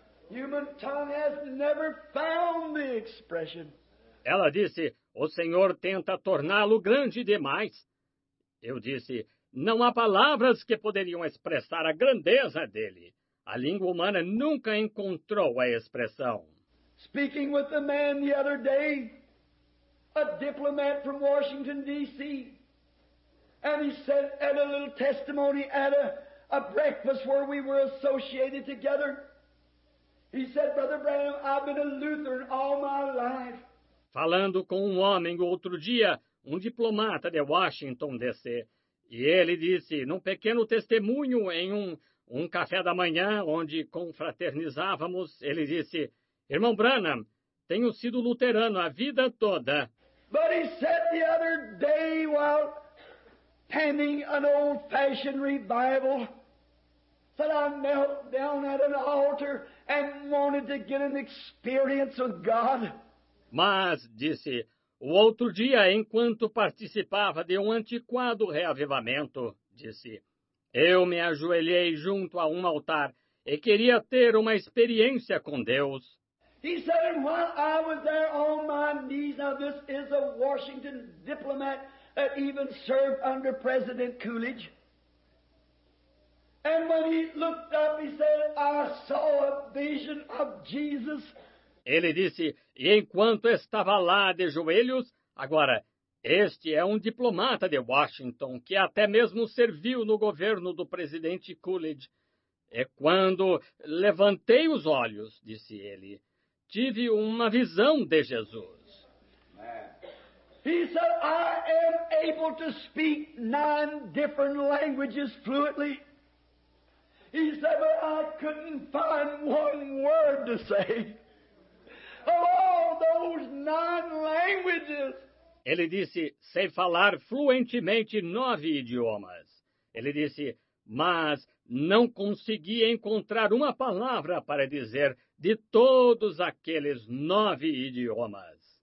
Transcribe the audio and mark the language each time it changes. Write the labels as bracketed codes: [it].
[en] Human tongue has never found the expression. [pt] Ela disse, o Senhor tenta torná-lo grande demais. Eu disse, não há palavras que poderiam expressar a grandeza dele. A língua humana nunca encontrou a expressão. [en] Speaking with the man the other day, a diplomat from Washington, D.C., and he said at a little testimony at a breakfast where we were associated together, he said, Brother Branham, I've been a Lutheran all my life. [pt] Falando com um homem outro dia, um diplomata de Washington, D.C., e ele disse, num pequeno testemunho em um café da manhã, onde confraternizávamos, ele disse, Irmão Branham, tenho sido luterano a vida toda. [en] But he said the other day while tending an old-fashioned revival, said I knelt down at an altar and wanted to get an experience with God. [pt] Mas, disse, o outro dia, enquanto participava de um antiquado reavivamento, disse, eu me ajoelhei junto a um altar e queria ter uma experiência com Deus. [en] He said, and while I was there on my knees, now this is a Washington diplomat that even served under President Coolidge. And when he looked up, he said, I saw a vision of Jesus. [pt] Ele disse, e enquanto estava lá de joelhos, agora, este é um diplomata de Washington que até mesmo serviu no governo do presidente Coolidge. E quando levantei os olhos, disse ele, tive uma visão de Jesus. [en] He said, I am able to speak 9 different languages fluently. He said, but I couldn't find one word to say. Of all those 9 languages. [pt] Ele disse, sei falar fluentemente 9 idiomas. Ele disse, mas não consegui encontrar uma palavra para dizer de todos aqueles 9 idiomas.